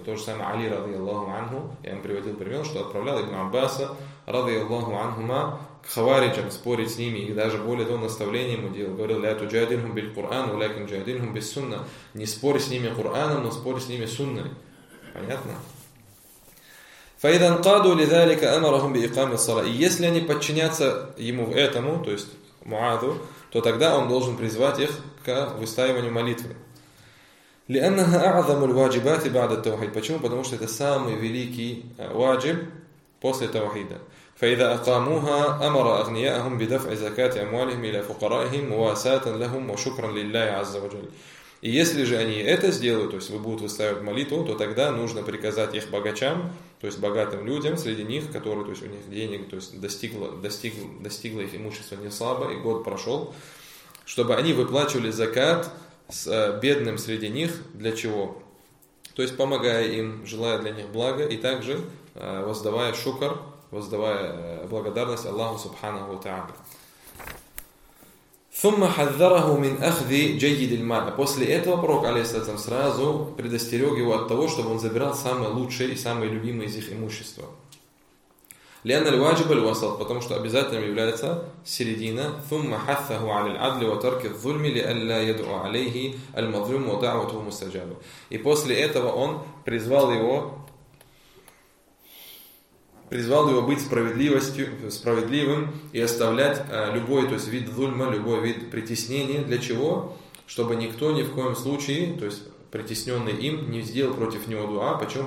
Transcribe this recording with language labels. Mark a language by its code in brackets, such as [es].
[ru] То же самое Али, ради Аллаху Анху, я им приводил пример, что отправлял ибн Аббаса, ради Аллаху Анхума, к хавариджам спорить с ними, и даже более того, наставление ему делал. Говорил, [ar] «Ля туджадильхум биль Кур'ан, улякин джадильхум бис сунна». [ru] Не спорь с ними Кур'аном, но спорь с ними сунной. Понятно? [ar] فإذا انقادوا لذلك أمرهم بإقامة الصلاة. [ru] И если они подчинятся ему в этому, то есть Муаду, то тогда он должен призвать их к выстаиванию молитвы. [ar] لأنها أعظم الواجبات بعد التوحيد. [ru] Почему? Потому что это самый великий واجب после Таухида. [ar] فإذا أقاموها أمر أغنياءهم بدفع زكاة أموالهم إلى فقرائهم مواساة لهم وشكرا لله عز وجل. [ru] И если же они это сделают, то есть будут выстаивать молитву, то тогда нужно приказать их богачам, то есть богатым людям среди них, которые, то есть у них денег, то есть достигло их имущество не слабо, и год прошел, чтобы они выплачивали закат с бедным среди них. Для чего? То есть помогая им, желая для них блага, и также воздавая шукр, воздавая благодарность Аллаху Субханаху Та'ала. [ar] ثم حذره من أخذ جيد الماء. [ru] После этого пророк алейхиссалям сразу предостерег его от того, чтобы он забирал самое лучшее и самое любимое из их имущества. [ar] لأن الواجب الوسط, [ru] потому что обязательным является середина. [ar] ثم حثه على العدل وترك الظلم لئلا يدعو عليه المظلوم ودعوته مستجابة. [ru] И после этого он призвал его быть справедливым и оставлять любой, то есть вид зульма, любой вид притеснения. Для чего? Чтобы никто ни в коем случае, то есть притесненный им, не сделал против него дуа. Почему?